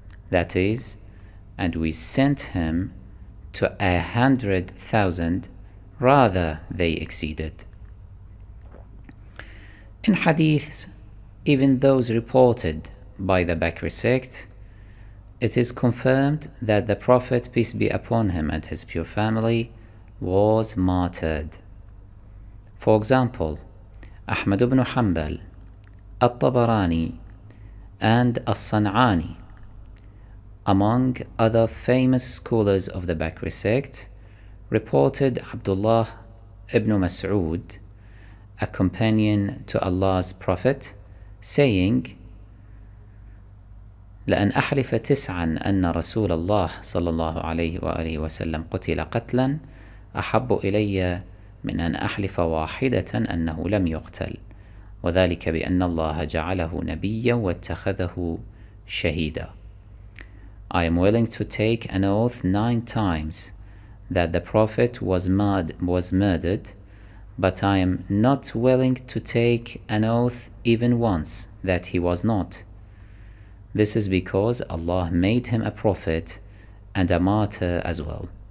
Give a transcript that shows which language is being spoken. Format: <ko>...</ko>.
<en>That is, and we sent him to 100,000, rather they exceeded. In hadiths, even those reported by the Bakri sect, it is confirmed that the Prophet, peace be upon him and his pure family, was martyred. For example, Ahmad ibn Hanbal, At-Tabarani, and As-San'ani, among other famous scholars of the Bakri sect, reported Abdullah ibn Mas'ud, a companion to Allah's Prophet, saying,</en> <ar>لأن أحلف تسعا أن رسول الله صلى الله عليه وآله وسلم قتل قتلا أحب إلي من أن أحلف واحدة أنه لم يقتل وذلك بأن الله جعله نبيا واتخذه شهيدا.</ar> <en>I am willing to take an oath 9 times that the Prophet was murdered, but I am not willing to take an oath even once that he was not. This is because Allah made him a prophet and a martyr as well.</en>